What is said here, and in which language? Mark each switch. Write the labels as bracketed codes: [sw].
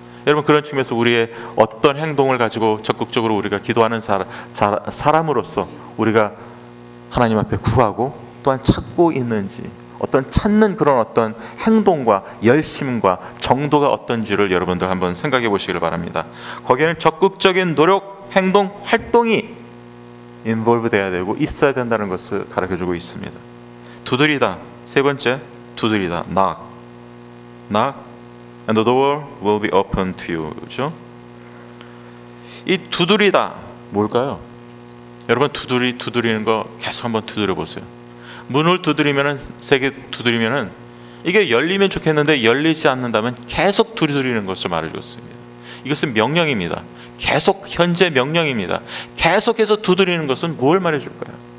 [ko] 여러분 그런 측면에서 우리의 어떤 행동을 가지고 적극적으로 우리가 기도하는 사람으로서 우리가 하나님 앞에 구하고 또한 찾고 있는지, 어떤 찾는 그런 어떤 행동과 열심과 정도가 어떤지를 여러분들 한번 생각해 보시길 바랍니다. 거기에는 적극적인 노력, 행동, 활동이 involved 돼야 되고 있어야 된다는 것을 가르쳐주고 있습니다. 두드리다, 세 번째 두드리다, knock. [en] Knock and the door will be open to you. [ko] 그렇죠? 이 두드리다 뭘까요? 여러분 두드리는 거 계속 한번 두드려 보세요. 문을 두드리면은, 세 개 두드리면은 이게 열리면 좋겠는데 열리지 않는다면 계속 두드리는 것을 말해주고 있습니다. 이것은 명령입니다. 계속 현재 명령입니다. 계속해서 두드리는 것은 뭘 말해줄까요?